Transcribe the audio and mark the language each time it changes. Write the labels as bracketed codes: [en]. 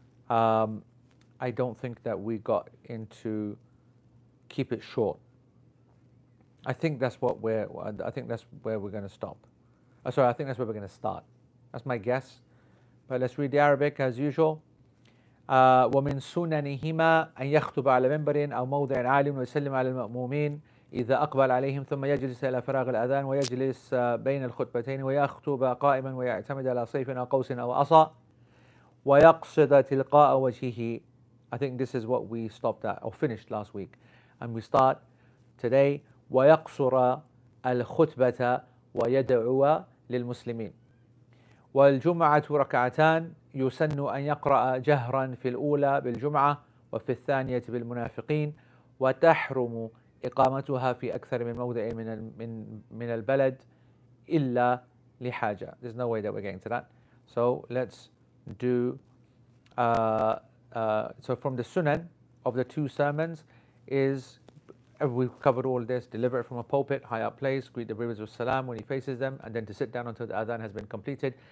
[en] I don't think that we got into keep it short. I think that's where we're going to stop. I think that's where we're going to start. That's my guess. But let's read the Arabic as usual. [ar] ومن سننهما أن يخطب على منبر أو موضع عالي ويسلم على المأمومين إذا أقبل عليهم ثم يجلس إلى فراغ الأذان ويجلس بين الخطبتين ويخطب قائما ويعتمد على صيف أو قوس أو عصا ويقصد تلقاء وجهه. [en] I think this is what we stopped at or finished last week, and we start today. [ar] ويقصر الخطبة ويدعو للمسلمين والجمعة ركعتان يسن أن يقرأ جهرا في الأولى بالجمعة وفي الثانية بالمنافقين وتحرم إقامتها في أكثر من موضع من البلد إلا لحاجة. [en] There's no way that we're getting to that. So let's do so from the sunan of the two sermons is we've covered all this. Deliver it from a pulpit, high up place. Greet the rivers of salam when he faces them, and then to sit down until the adhan has been completed.